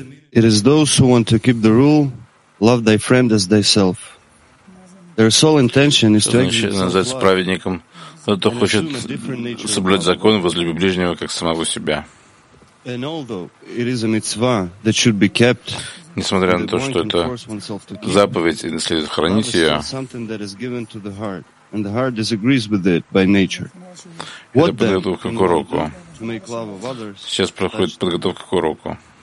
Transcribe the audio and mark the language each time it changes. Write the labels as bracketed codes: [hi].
[en] It is those who want to keep the rule, love thy friend as thyself. Their sole intention is to [ru] называется праведником, тот, кто хочет соблюдать закон, возлюби ближнего как самого себя. [en] And although it is a mitzvah that should be kept, [ru] несмотря на то, что это заповедь и следует хранить ее, это подготовка к уроку. Сейчас проходит подготовка к уроку.